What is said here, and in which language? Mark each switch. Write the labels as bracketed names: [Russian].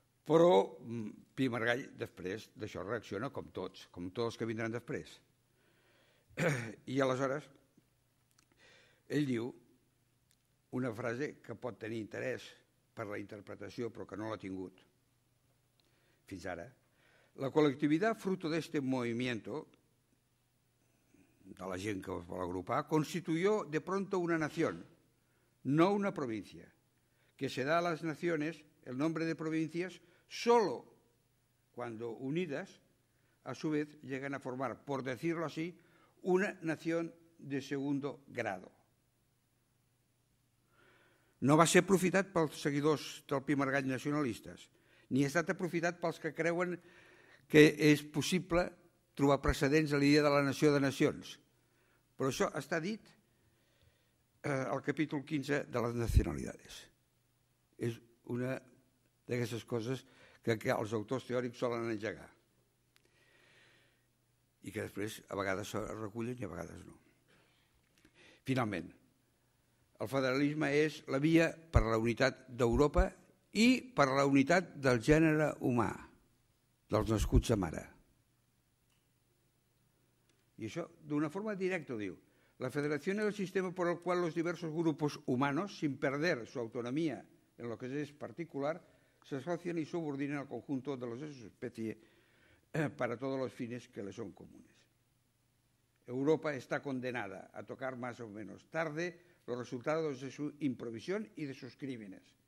[Catalan] Però Pi Margall després d'això reacciona com tots els que vindran després. I aleshores ell diu una frase que pot tenir interès per la interpretació però que no l'ha tingut fins ara. [Spanish] La col·lectivitat fruto de este movimiento, [Catalan] de la gent que es vol agrupar, [Spanish] constituyó de pronto una nación, no una provincia, que se da a las naciones el nombre de provincias solo cuando unidas, a su vez, llegan a formar, por decirlo así, una nación de segundo grado. [Catalan] No va ser aprofitat pels seguidors del Pi Margall nacionalistes, ni ha estat aprofitat pels que creuen que és possible trobar precedents a l'idea de la nació de nacions. Però això està dit al capítol 15 de les nacionalidades. És una d'aquestes coses que els autors teòrics solen engegar i que després a vegades es recullen i a vegades no. Finalment, el federalisme és la via per a la unitat d'Europa i per a la unitat del gènere humà, dels nascuts a mare. I això d'una forma directa ho diu. [Spanish] La federación es el sistema por el cual los diversos grupos humanos, sin perder su autonomía en lo que es particular, se asocian y subordinan al conjunto de los de su especie para todos los fines que le son comunes. Europa está condenada a tocar más o menos tarde los resultados de su improvisión y de sus crímenes.